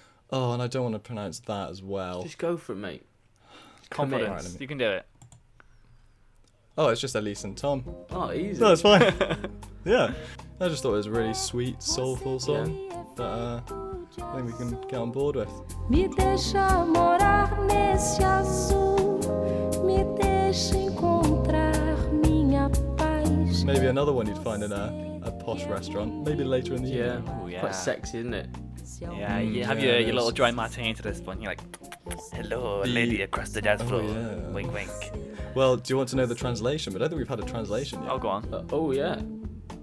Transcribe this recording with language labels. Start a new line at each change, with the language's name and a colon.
English: Oh, and I don't want to pronounce that as well. Just go for it, mate. Confidence. Right, you can do it. Oh, it's just Elise and Tom. Oh, easy. No, it's fine. Yeah. I just thought it was a really sweet, soulful song that I think we can get on board with.
Portuguese: Me deixa morar nesse azul, me deixa encontrar minha paz.
English: Maybe another one you'd find in a posh restaurant, maybe later in the year. Yeah, quite sexy, isn't it? Yeah, you have your little dry martini to this one. You're like, hello, lady across the dance floor. Yeah. Wink, wink. Well, do you want to know the translation? But I don't think we've had a translation yet. Oh, go on.